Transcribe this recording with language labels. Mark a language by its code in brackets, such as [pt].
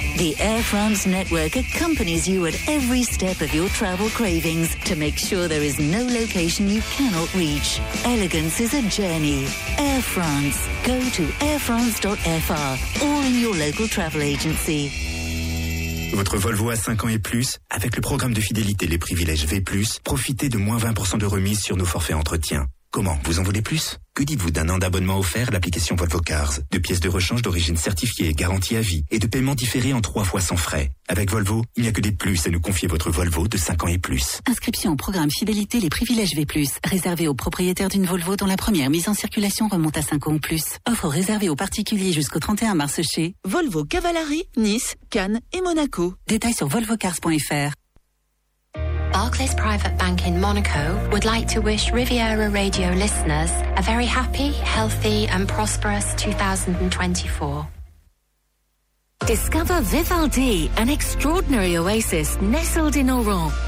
[en] The Air France network accompanies you at every step of your travel cravings to make sure there is no location you cannot reach. Elegance is a journey. Air France. Go to airfrance.fr or in your local travel agency. [fr] Votre Volvo a 5 ans et plus, avec le programme de fidélité Les Privilèges V+, profitez de moins 20% de remise sur nos forfaits entretien. Comment? Vous en voulez plus? Que dites-vous d'un an d'abonnement offert à l'application Volvo Cars, de pièces de rechange d'origine certifiée et garantie à vie, et de paiements différés en 3 fois sans frais? Avec Volvo, il n'y a que des plus à nous confier votre Volvo de 5 ans et plus. Inscription au programme Fidélité Les Privilèges V+, réservé aux propriétaires d'une Volvo dont la première mise en circulation remonte à 5 ans ou plus. Offre réservée aux particuliers jusqu'au 31 mars chez Volvo Cavalari, Nice, Cannes et Monaco. Détails sur volvocars.fr. [en] Barclays Private Bank in Monaco would like to wish Riviera Radio listeners a very happy, healthy and prosperous 2024. Discover Vivaldi, an extraordinary oasis nestled in Oran.